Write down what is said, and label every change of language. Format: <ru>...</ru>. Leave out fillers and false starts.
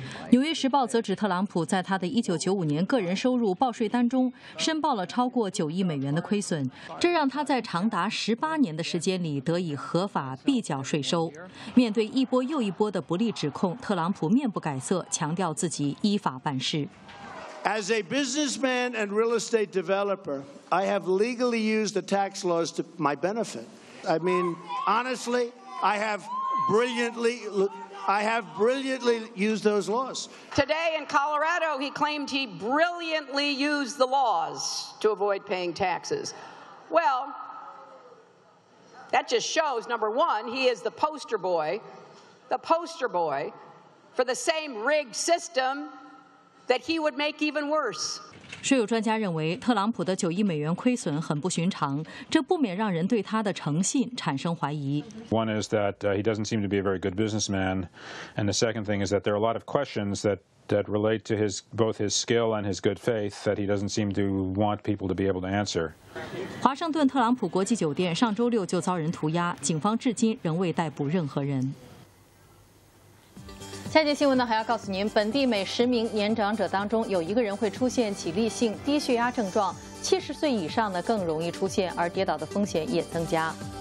<zh>纽约时报则指特朗普在他的1995年个人收入报税单中申报了超过9亿美元的亏损，这让他在长达18年的时间里得以合法避缴税收。面对一波又一波的不利指控，特朗普面不改色，强调自己依法办事。</zh> <en>As a businessman and real estate developer, I have legally used the tax laws to my benefit. I mean, honestly, I have brilliantly used those laws. Today in Colorado, he claimed he brilliantly used the laws to avoid paying taxes. Well, that just shows, number one, he is the poster boy for the same rigged system that he would make even worse.</en> <zh>税务专家认为，特朗普的9亿美元亏损很不寻常，这不免让人对他的诚信产生怀疑。</zh> <en>One is that he doesn't seem to be a very good businessman, and the second thing is that there are a lot of questions that relate to both his skill and his good faith that he doesn't seem to want people to be able to answer.</en> <zh>华盛顿特朗普国际酒店上周六就遭人涂鸦，警方至今仍未逮捕任何人。下节新闻呢，还要告诉您，本地每10名年长者当中有一个人会出现起立性低血压症状，70岁以上呢更容易出现，而跌倒的风险也增加。</zh>